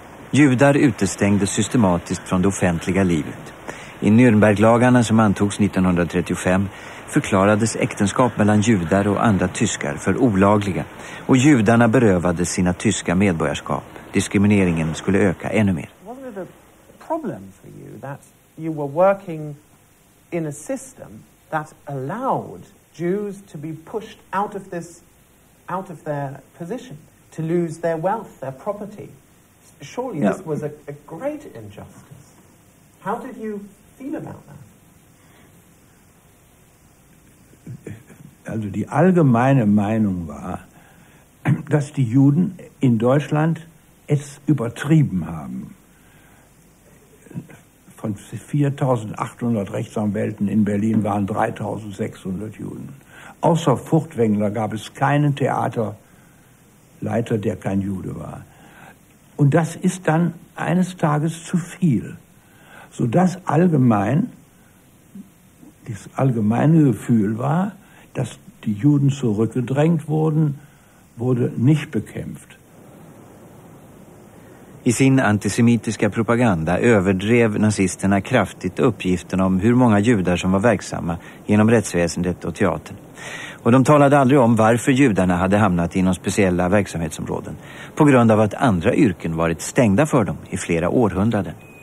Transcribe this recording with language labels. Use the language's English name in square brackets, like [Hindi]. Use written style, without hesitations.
[Swedish] Judar utestängdes systematiskt från det offentliga livet. I Nürnberglagarna som antogs 1935 förklarades äktenskap mellan judar och andra tyskar för olagliga, och judarna berövade sina tyska medborgarskap. Diskrimineringen skulle öka ännu mer. [English] Was it a problem for you that you were working in a system that allowed Jews to be pushed out of this, out of their position, to lose their wealth, their property? Surely this was a great injustice. How did you feel about that? [German] Also die allgemeine Meinung war, dass die Juden in Deutschland es übertrieben haben. Von 4.800 Rechtsanwälten in Berlin waren 3.600 Juden. Außer Furtwängler gab es keinen Theaterleiter, der kein Jude war. Und das ist dann eines Tages zu viel, sodass allgemein das allgemeine Gefühl war, dass die Juden zurückgedrängt wurden, wurde nicht bekämpft. [Swedish] I sin antisemitiska propaganda överdrev nazisterna kraftigt uppgiften om hur många judar som var verksamma inom rättsväsendet och teatern. Och de talade aldrig om varför judarna hade hamnat inom speciella verksamhetsområden, på grund av att andra yrken varit stängda för dem i flera århundraden.